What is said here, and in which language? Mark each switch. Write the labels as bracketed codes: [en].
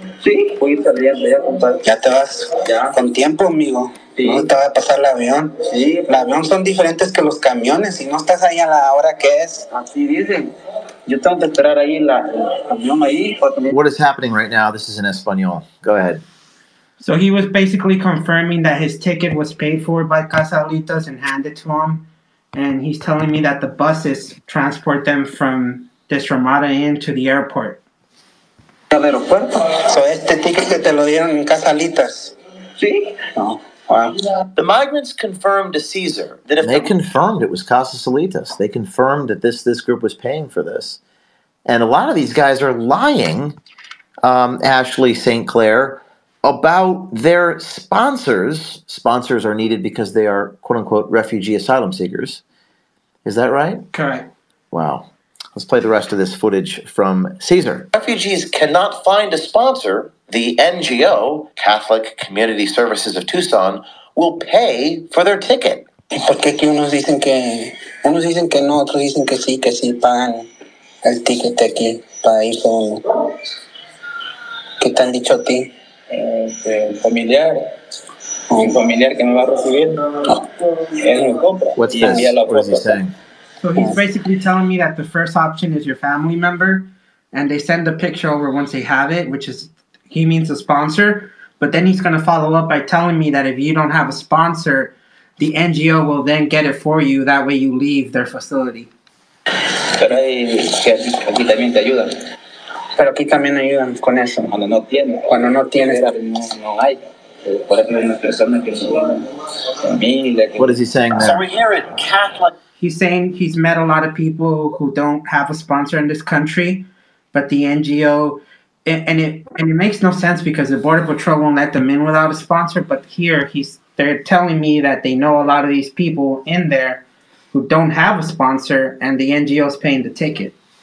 [es] Sí. Ya te vas con tiempo, amigo. Sí. No te va a pasar el avión. Sí. El avión son diferentes que los camiones. Si no estás ahí a la hora que es. Así dicen. Yo tengo que esperar ahí el avión ahí. [en] What is happening right now? This is in Espanol. Go ahead. So he was basically confirming that his ticket was paid for by Casa Alitas and handed to him. And he's telling me that the buses transport them from this Ramada Inn to the airport. [es] Al aeropuerto. So este ticket que te lo dieron en Casa Alitas. Sí. [en] The migrants confirmed to Caesar that if they confirmed it was Casa Alitas. They confirmed that this group was paying for this. And a lot of these guys are lying, Ashley St. Clair, about their sponsors. Sponsors are needed because they are quote unquote refugee asylum seekers. Is that right? Correct. Wow. Let's play the rest of this footage from Caesar. Refugees cannot find a sponsor. The NGO, Catholic Community Services of Tucson, will pay for their ticket. [es] ¿Por qué unos dicen que no, otros dicen que sí pagan el ticket aquí para ir con... ¿Qué te han dicho a ti? Familiar. Mi familiar que me va a recibir. Él me compra. [en] What's this? What is he saying? So he's basically telling me that the first option is your family member, and they send a picture over once they have it, which is, he means a sponsor. But then he's going to follow up by telling me that if you don't have a sponsor, the NGO will then get it for you. That way you leave their facility. [es] Pero aquí también te ayudan. Pero aquí también ayudan con eso. Cuando no tienes. No hay. Por eso hay una persona que se llama. [en] What is he saying there? So we hear it, Catholic. He's saying he's met a lot of people who don't have a sponsor in this country, but the NGO, and it makes no sense because the Border Patrol won't let them in without a sponsor, but here they're telling me that they know a lot of these people in there who don't have a sponsor, and the NGO is paying the ticket.